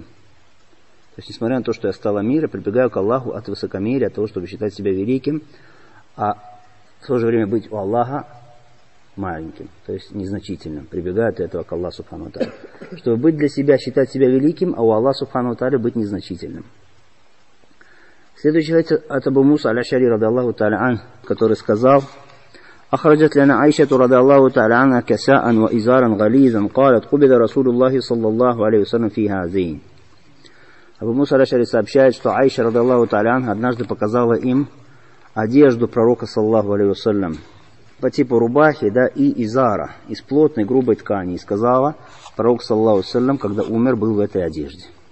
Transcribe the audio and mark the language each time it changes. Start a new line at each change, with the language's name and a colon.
Russian: То есть несмотря на то, что я стал амиром, прибегаю к Аллаху от высокомерия, от того, чтобы считать себя великим, а в то же время быть у Аллаха маленьким, то есть незначительным, прибегая от этого к Аллаху Субхану ва Тааля. Чтобы быть для себя, считать себя великим, а у Аллаха Субхану ва Тааля быть незначительным. Следующий хадис от Абу Муса аль-Ашари, который сказал:
Arabic: أخرجت لنا عائشة رضي الله تعالى عنها كساء وإزارا غليظا قالت قبض رسول الله صلى الله عليه وسلم في هذين.
Russian: أبو موسى الأشعري сообщает, что عائشة
Arabic: رضي الله تعالى عنها
Russian: однажды показала им одежду пророка
Arabic: صلى الله عليه وسلم
Russian: по типу рубахи, да, и изара, из плотной грубой ткани, и сказала пророк صلى الله عليه وسلم, когда умер, был в этой одежде.